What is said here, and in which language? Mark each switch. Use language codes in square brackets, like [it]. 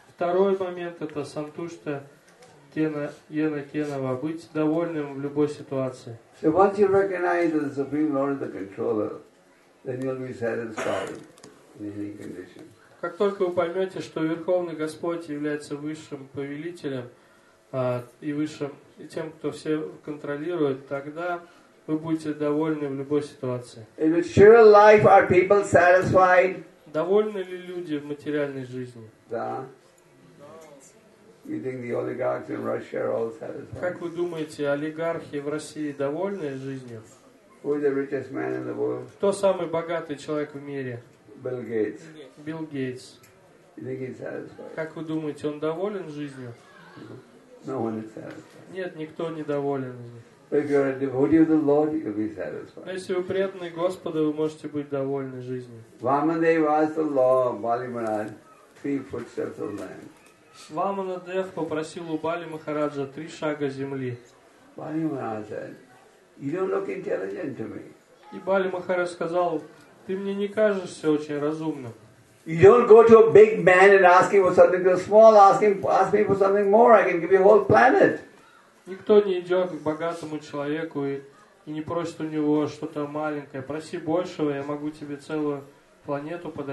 [ru] Второй момент это [sa] сантушта ена кенава. [ru] Быть довольным в любой ситуации. [en] So once you recognize the Supreme Lord, the controller, then you'll be satisfied in any condition. [ru] Как только вы поймете, что Верховный Господь является высшим повелителем и высшим и тем, кто все контролирует, тогда вы будете довольны в любой ситуации. [en] In material life, are people satisfied? [ru] Довольны ли люди в материальной жизни? Да. [en] You think the oligarchs in Russia are all satisfied? [ru] Как вы думаете, олигархи в России довольны жизнью? [en] Who is the richest man in the world? [ru] Кто самый богатый человек в мире? [en] Bill Gates. [ru] Билл Гейтс. [en] You think he's satisfied? [ru] Как вы думаете, он доволен жизнью? [en] No one is satisfied. [ru] Нет, никто не доволен. [en] If you're a devotee of the Lord, you'll be satisfied. [ru] Но если вы преданный Господа, вы можете быть довольны жизнью. [en] Vamadeva asked the Lord, Bali Maharaj, 3 footsteps of land. [ru] Vamanadev попросил у Бали Махараджа 3 шага земли. [en] Bali Maharaj said, you don't look intelligent to me. [ru] И Бали Махарадж сказал, ты мне не кажешься очень разумным. [en] You don't go to a big man and ask him for something so small, ask me for something more, I can give you a whole planet. [ru] Никто не идет к богатому человеку и не просит у него что-то маленькое. Проси большего, я могу тебе целую планету